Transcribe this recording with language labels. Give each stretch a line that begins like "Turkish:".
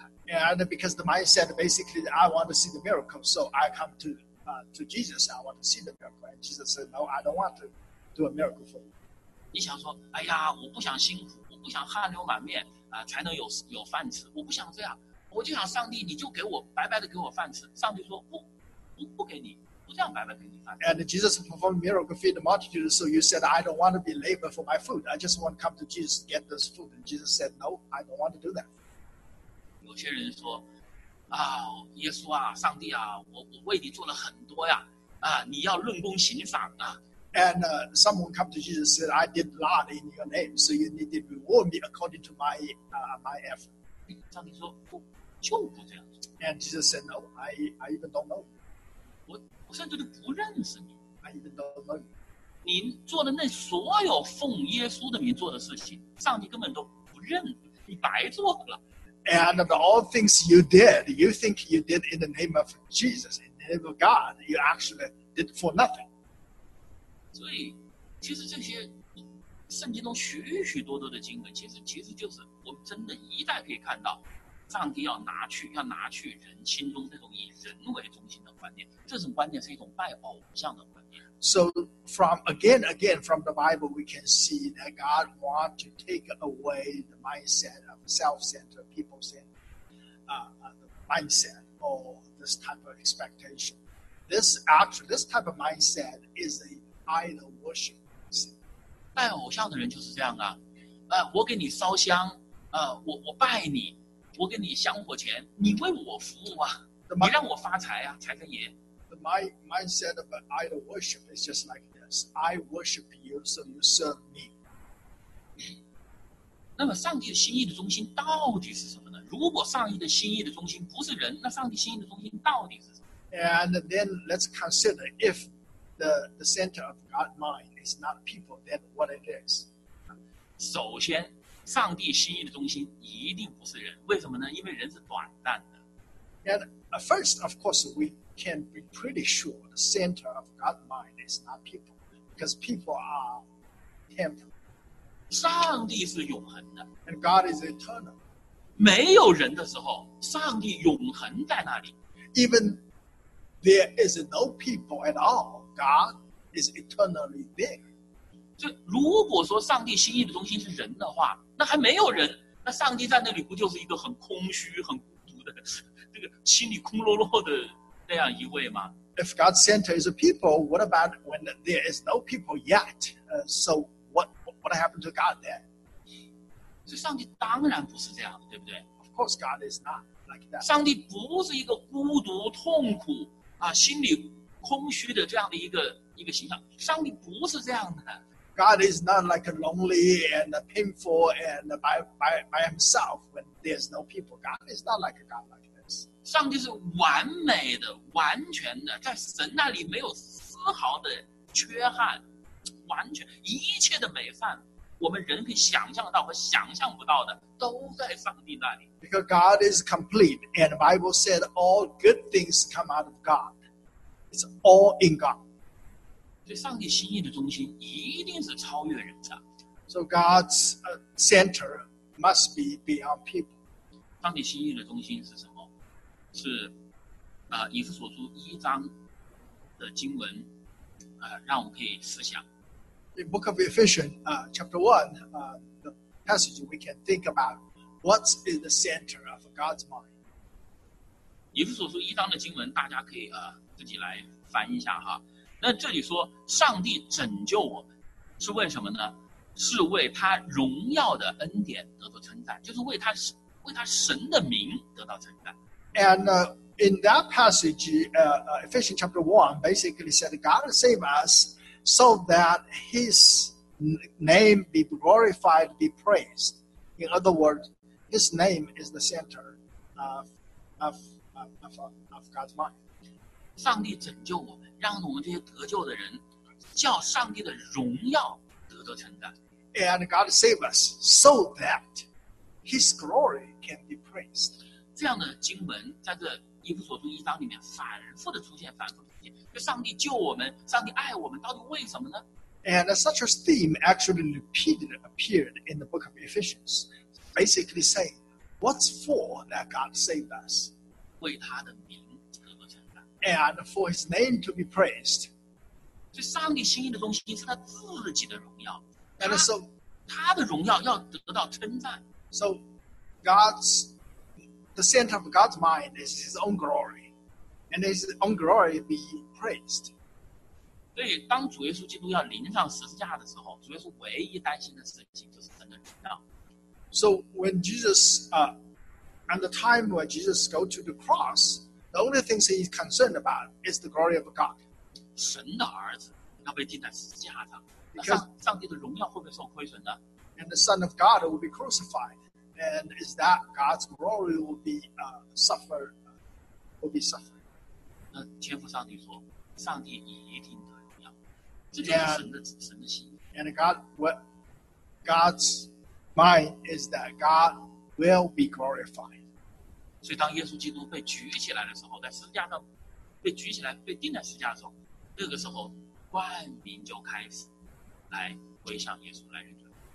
English: And because the mindset basically, I want to see the miracle, so I come to Jesus. I want to see the miracle. And Jesus said, "No, I don't want to do a miracle for you."
Chinese: 你想说，哎呀，我不想辛苦，我不想汗流满面才能有饭吃。我不想这样，我就想上帝，你就给我白白的给我饭吃。上帝说，不给你，不这样白白给你饭吃。
English: And Jesus performed miracle, feed the multitude. So you said, "I don't want to be labor for my food. I just want to come to Jesus to get this food." And Jesus said, "No, I don't want to do that."
Chinese: 有些人说耶稣啊上帝啊我为你做了很多呀你要论功行赏啊
English: And someone come to Jesus said I did a lot in your name so you need to reward me according to my effort
Chinese: 上帝说就不这样做。
English: And Jesus said, No, I even don't know.
Chinese: 我甚至都不认识你。
English: I even don't know.
Chinese: 你做的那所有奉耶稣的名做的事情，上帝根本都不认，你白做了。
English: And of all things you did, you think you did in the name of Jesus, in the name of God, you actually did for nothing.
Chinese: 所以，其实这些圣经中许许多多的经文，其实就是我们真的一代可以看到，上帝要拿去人心中这种以人为中心的观念，这种观念是一种拜偶像的观念。
English: So from again from the Bible, we can see that God want to take away the mindset of self-centered, people-centered, the mindset or this type of expectation. This type of mindset is an idol worship.
Chinese: 拜偶像的人就是这样啊，我给你烧香，我拜你，我给你香火钱，你为我服务啊，你让我发财啊，财神爷。
English: My mindset of idol worship is just like this. I worship you, so you serve me.
Chinese: 那么上帝的心意的中心到底是什么呢？如果上帝的心意的中心不是人，那上帝心意的中心到底是什么？
English: And then let's consider if the center of God's mind is not people, then what it is?
Chinese: 首先，上帝心意的中心一定不是人。为什么呢？因为人是短暂的。
English: And first, of course, we can be pretty sure the center of God's mind is not people, because people are temporal.
Chinese: 上帝是永恒的。
English: And God is eternal.
Chinese: 没有人的时候，上帝永恒在那里。
English: Even there is no people at all, God is eternally there.
Chinese: 就如果说上帝心意的中心是人的话，那还没有人，那上帝在那里不就是一个很空虚、很孤独的？心里空落落的那样一位吗？
English: If God's center is a people, what about when there is no people yet? So what happened to God then?
Chinese: 所以上帝当然不是这样，对不对？
English: Of course God is not like that.
Chinese: 上帝不是一个孤独、痛苦、心里空虚的这样的一个形象。上帝不是这样的。
English: God is not like lonely and painful and by himself when there's no people. God is not like a God like that.
Chinese: 上帝是完美的、完全的，在神那里没有丝毫的缺憾，完全一切的美善，我们人可以想象到和想象不到的，都在上帝那里。
English: Because God is complete, and the Bible said all good things come out of God. It's all in God.
Chinese: 所以上帝心意的中心一定是超越人的。
English: So God's center must be beyond people.
Chinese: 上帝心意的中心是什么？是以弗所书一章的经文让我们可以思想。
English: The book of Ephesians, chapter 1, the passage we can think about what is the center of God's mind.
Chinese: 以弗所书一章的经文大家可以自己来翻一下哈。那这里说上帝拯救我们是为什么呢？是为他荣耀的恩典得到称赞，就是为他神的名得到称赞。
English: And in that passage, Ephesians chapter 1 basically said, God save us so that his name be glorified, be praised. In other words, his name is the center of God's mind.
Chinese: 上帝拯救我们，让我们这些得救的人叫上帝的荣耀得到称赞。
English: And God save us so that his glory can be praised.
Chinese: 这样的经文在这以弗所书一章里面反复的出现，就上帝救我们，上帝爱我们，到底为什么呢？
English: And such a theme actually repeated appeared in the book of Ephesians, basically saying, what's for that God saved us?
Chinese: 为他的名得到称赞。
English: And for his name to be praised.
Chinese: 所以上帝心意的中心是他自己的荣耀。
English: And so,
Chinese: 他的荣耀要得到称赞。
English: So, God'sThe center of God's mind is his own glory. And his own glory be praised.
Chinese: 所以当主耶稣基督要临上十字架的时候，主耶稣唯一担心的事情就是神的荣耀。
English: So when Jesus, at the time when Jesus go to the cross, the only things he's concerned about is the glory of God.
Chinese: 神的儿子要被钉在十字架上，那上帝的荣耀会不会受亏损呢？
English: And the Son of God will be crucified. and is that God's glory will be suffered.
Chinese: 那天父上帝说，上帝已一定得荣耀，这就是神的旨意，神的心意。
English: And God's mind is that God will be glorified.
Chinese: 所以当耶稣基督被举起来的时候，在十字架上被举起来，被钉在十字架上，那个时候万民就开始来归向耶稣，来认罪。